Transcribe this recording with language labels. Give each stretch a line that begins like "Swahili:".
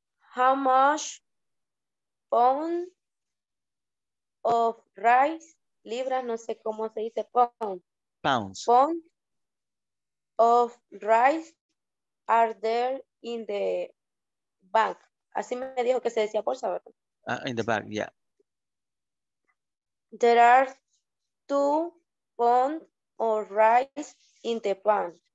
English: How much pound of rice,
Spanish: libras, no sé cómo se dice,
English: pound. Pounds. Pound of rice are there in the bag.
Spanish: Así me dijo que se decía bolsa, ¿verdad?
English: In the bag, yeah. There are 2 pounds of rice in the bag.